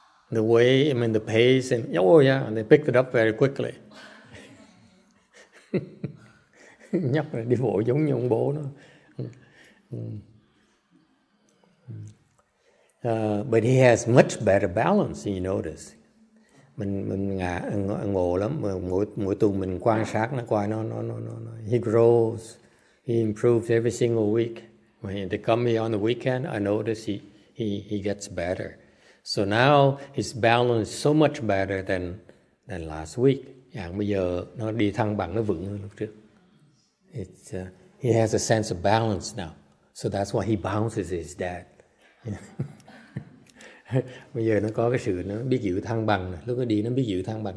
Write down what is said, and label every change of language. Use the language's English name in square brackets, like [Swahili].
[English] The way, I mean, the pace, and and they picked it up very quickly. [Vietnamese] Nhóc này đi bộ giống như ông bố nó. [English] But he has much better balance, you notice. [Vietnamese] Mình ngộ lắm, mỗi tuần mình quan sát nó qua, nó. [English] He grows, he improves every single week. When they come here on the weekend, I notice he gets better. So now his balance is so much better than last week. [Vietnamese] Dạng bây giờ nó đi thăng bằng, nó vững hơn lúc trước. [English] He has a sense of balance now. So that's why he bounces his dad. [Vietnamese] Bây giờ nó có cái sự nó biết giữ thăng bằng. Lúc nó đi nó biết giữ thăng bằng.